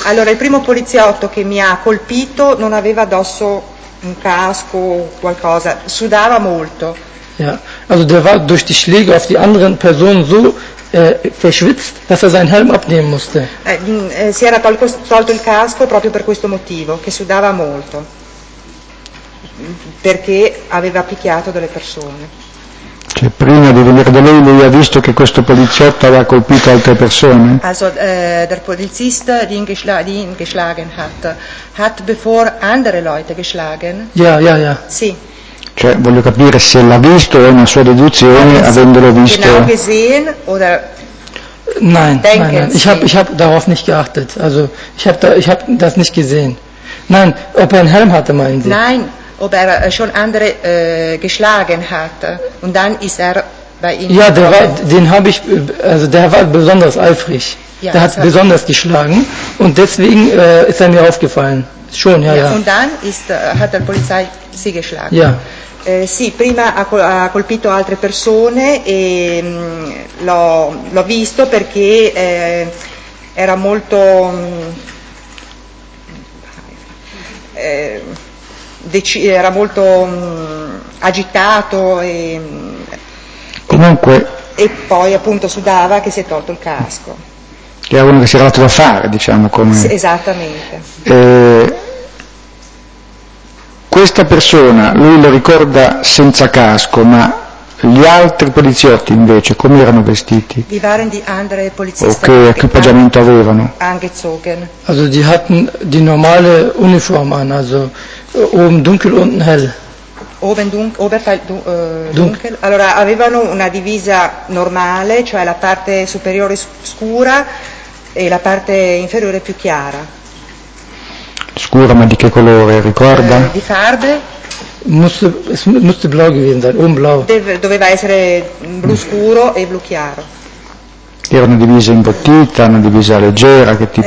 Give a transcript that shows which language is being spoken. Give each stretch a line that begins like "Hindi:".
Italian: Allora, il primo poliziotto che mi ha colpito non aveva addosso un casco o qualcosa, sudava molto.
German: Ja, also der war durch die Schläge auf die anderen Personen so verschwitzt, dass er seinen Helm abnehmen musste. Si era tolto il casco proprio per questo motivo, che sudava molto, perché aveva picchiato delle persone.
Italian: Cioè, prima di venire da lei, lui ha visto che questo poliziotto aveva colpito altre persone?
German: Also, der Polizist, den geschlagen hat, hat bevor andere Leute geschlagen? Ja.
Italian: Sì. Cioè, voglio capire se l'ha visto o è una sua deduzione, avendolo visto.
German: Genau gesehen oder nein. Ich hab darauf nicht geachtet. Also, ich hab das nicht gesehen. Nein, ob er einen Helm hatte, meinen Sie? Nein, ob er schon andere geschlagen hat und dann ist er bei Ihnen. Ja, der war besonders eifrig. Ja, der hat so besonders geschlagen und deswegen ist er mir aufgefallen. Schon, ja. Und dann hat der Polizei sie geschlagen. Ja.
Italian: Sì, prima ha colpito altre persone e l'ho visto perché era molto agitato e poi appunto sudava che si è tolto il casco. Che era uno che si era dato da fare, diciamo, come... Sì, esattamente. Questa persona, lui lo ricorda senza casco, ma gli altri poliziotti invece, come erano vestiti?
German: Die waren die andere Polizisten.
Italian: Okay, che equipaggiamento avevano?
German: Angezogen. Also die hatten die normale Uniform an, also oben dunkel, unten hell. Oberteil dunkel.
Italian: Allora avevano una divisa normale, cioè la parte superiore scura e la parte inferiore più chiara. Scura, ma di che colore, ricorda? Di farbe.
German: Musste blau gewesen sein, oben blau.
Italian: Doveva essere blu scuro e blu chiaro. Erano divise in bottita, erano divise a leggera, che tipo?